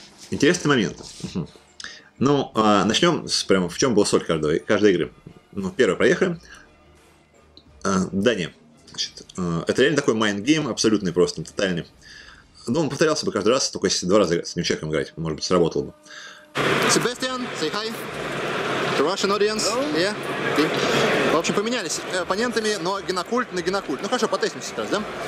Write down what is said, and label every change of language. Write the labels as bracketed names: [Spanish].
[Russian] Интересные моменты? Угу. Ну, начнем с прямо, в чем была соль каждой игры. Ну, первое, проехали. Дания. Значит, это реально такой майндгейм абсолютный просто, тотальный. Ну, он повторялся бы каждый раз, только если два раза с ним человеком играть, может быть, сработал бы. [English] Себастьян, say hi to Russian audience. Hello. Yeah. Okay. [Russian] В общем, поменялись оппонентами, но Гинокульт на Гинокульт. Ну, хорошо, потестим сейчас, да?